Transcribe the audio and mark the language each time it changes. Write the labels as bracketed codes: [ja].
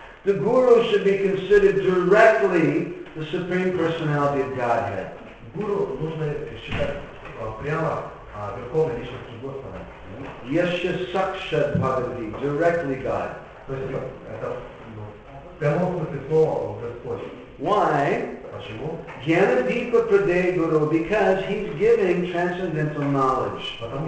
[en] The guru should be considered directly the Supreme Personality of Godhead. [ru] Guru нужно считать прямо верховной личностью Господа. [sa] Yasya sakshat bhagavati, [en] directly God. [ru] То есть это прямо Господь. [en] Why? [sa] Jnanadipa Pradey Guru, [en] because he's giving transcendental knowledge.